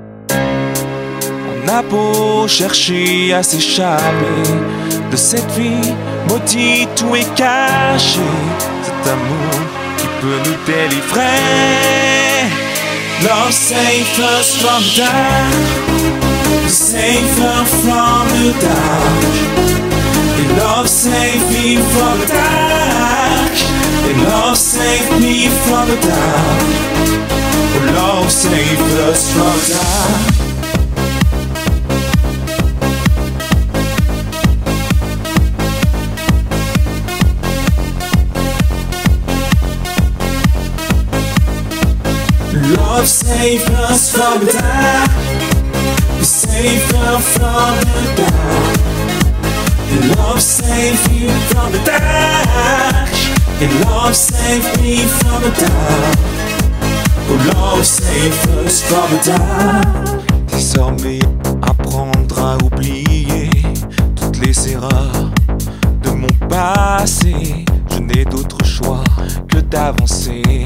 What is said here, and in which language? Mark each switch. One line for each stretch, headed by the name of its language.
French: On a beau chercher à s'échapper de cette vie maudite où est caché cet amour qui peut nous délivrer.
English: Love save us from the dark, save her from the dark. And love save me from the dark, and love save me from the dark. Oh, love save us from the dark. Love save us from the dark, save her from the dark. And love save you from the dark, and love save me from the dark. Oh, love save us from the dark.
French: Désormais, apprendre à oublier toutes les erreurs de mon passé. Je n'ai d'autre choix que d'avancer.